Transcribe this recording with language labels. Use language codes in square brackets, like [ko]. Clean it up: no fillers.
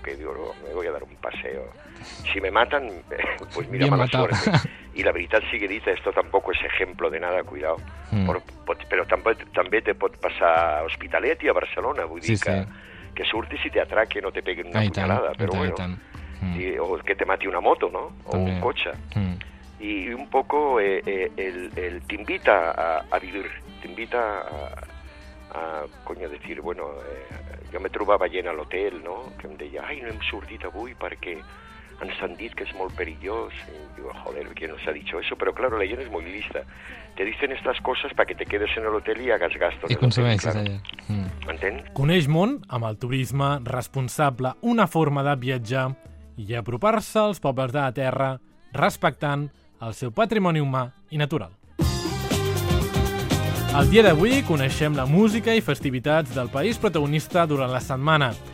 [es] Que digo, no, me voy a dar un paseo. Si me matan, pues mira, mala suerte. [ca] I la veritat sigui dita, [es] esto tampoco es ejemplo de nada, cuidado. [ca] Pero també te pot passar a Hospitalet i a Barcelona, vull dir que surtis i [es] te atraquen o te peguen una puñalada, [ca] però bueno. [es] Sí, o que te mate una moto, ¿no? O también un coche. Y un poco el te invita a vivir, te invita a coño, decir, bueno, yo [ca] me trobava gent a l'hotel, [es] ¿no? [ca] Que em deia, ay, no hem sortit avui perquè ens han dit que és molt perillós. [es] Y digo, joder, ¿quién nos ha dicho eso? Pero claro, la gent es muy lista. Te dicen estas cosas para que te quedes en el hotel y hagas gasto. [ca] Y consumeixes [es] claro. [ca] Allà. M'entén? Coneix món amb el turisme responsable, una forma de viatjar i apropar-se als pobles de la Terra respectant el seu patrimoni humà i natural. El dia d'avui coneixem la música i festivitats del país protagonista durant la setmana.